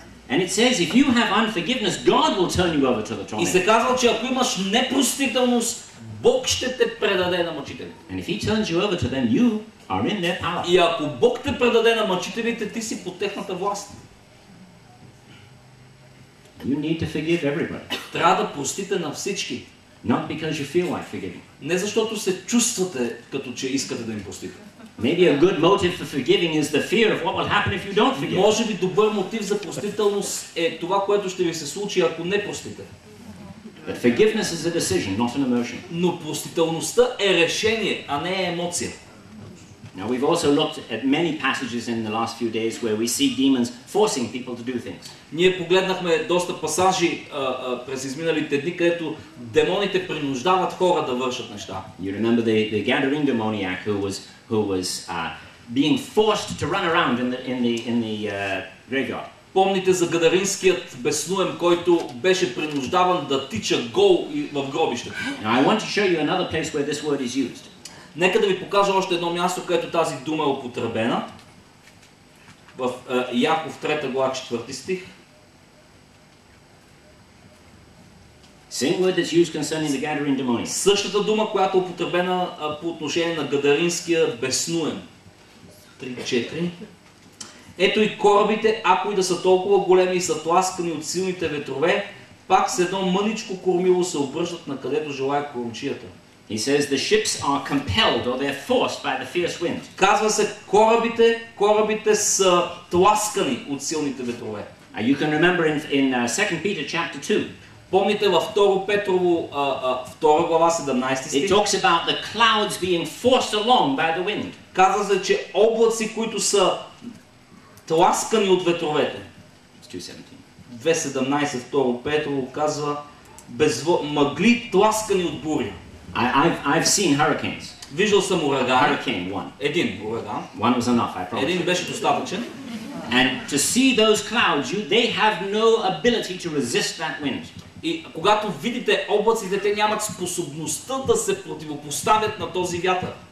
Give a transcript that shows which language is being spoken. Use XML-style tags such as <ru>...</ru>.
<en>And it says, if you have unforgiveness, God will turn you over to the tormentors.</en> <bg>И се казва, че ако имаш непростителност, Бог ще те предаде на мъчителите.</bg> <en>And if he turns you over to them, you are in their power.</en> <bg>И ако Бог те предаде на мъчителите, ти си под техната власт.</bg> <en>You need to forgive everybody.</en> <bg>Трябва да простите на всички.</bg> <en>Not because you feel like forgiving.</en> <bg>Не защото се чувствате като че искате да им простите.</bg> <en>Maybe a good motive for forgiving is the fear of what will happen if you don't forgive.</en> <bg>Може би добър мотив за простителност е това, което ще ви се случи, ако не простите.</bg> <en>But forgiveness is a decision, not an emotion.</en> <bg>Но простителността е решение, а не е емоция.</bg> <en>Now we've also looked at many passages in the last few days where we see demons forcing people to do things.</en> <bg>Ние погледнахме доста пасажи през изминалите дни, където демоните принуждават хора да вършат неща.</bg> <en>You remember the Gadarene demoniac who was being forced to run around in the graveyard.</en> <bg>Помните за гадаринският беснуем, който беше принуждаван да тича гол в гробището.</bg> <en>Now I want to show you another place where this word is used.</en> <bg>Нека да ви покажа още едно място, където тази дума е употребена. В Яков 3 глава 4 стих.</bg> <en>Same word that's used concerning the Gadarene demon.</en> <bg>Същата дума, която е употребена по отношение на гадаринския беснуем. 3-4. Ето и корабите, ако и да са толкова големи и са тласкани от силните ветрове, пак с едно мъничко кормило се обръщат на където желая кормчията.</bg> <en>He says the ships are compelled or they're forced by the fierce wind.</en> <bg>Казва се корабите са тласкани от силните ветрове.</bg> <en>And you can remember in 2 Peter chapter 2.</en> <bg>Помните във 2 Петрово 2 глава 17 стих.</bg> <en>It talks about the clouds being forced along by the wind.</en> <bg>Казва се, че облаци, които са тласкани от ветровете. 2:17 2 Петрово казва мъгли тласкани от бури.</bg> <en>I've seen hurricanes.</en> <bg>Виждал съм ураган.</bg> <en>Hurricane one.</en> <bg>Един ураган.</bg> <en>One was enough, I promise.</en> <bg>Един беше достатъчен.</bg> <en>And to see those clouds, they have no ability to resist that wind.</en> <bg>И когато видите облаците, те нямат способността да се противопоставят на този вятър.</bg>